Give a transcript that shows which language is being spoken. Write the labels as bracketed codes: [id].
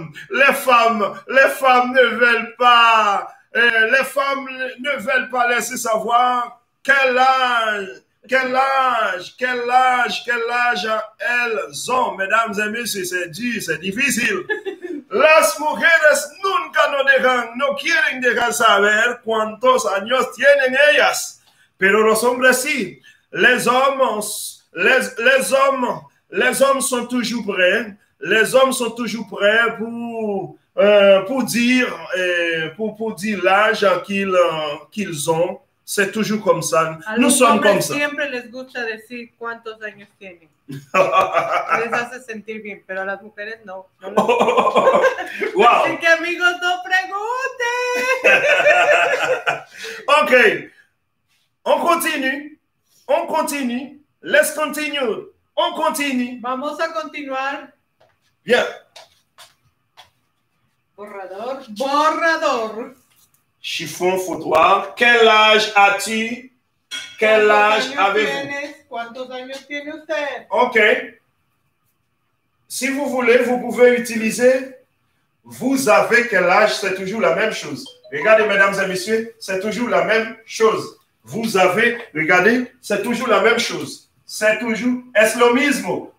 [fr] Les femmes ne veulent pas. Les femmes ne veulent pas laisser savoir. Quel âge elles ont, mesdames et messieurs, c'est dur, c'est difficile. [es] Las mujeres nunca no quieren dejar saber cuántos años tienen ellas. Pero los hombres sí. [fr] Les hommes sont toujours prêts pour dire l'âge qu'ils ont. C'est toujours comme ça. Nous sommes comme ça. [es] Siempre les gusta decir cuántos años tienen. Les hace sentir bien, pero a las mujeres no. [en] Oh, wow. [es] Así que amigos, no pregunten. [fr] Ok. On continue. [en] Let's continue. [fr] On continue. [es] Vamos a continuar. Bien. Borrador. [fr] Chiffon, foutoir. Quel âge as-tu? Quel âge avez-vous? [es] Quantos años tiene usted? Ok. [fr] Si vous voulez, vous pouvez utiliser vous avez quel âge, c'est toujours la même chose. Regardez, mesdames et messieurs, c'est toujours la même chose. Vous avez, regardez, c'est toujours la même chose. C'est toujours, [es] es lo mismo.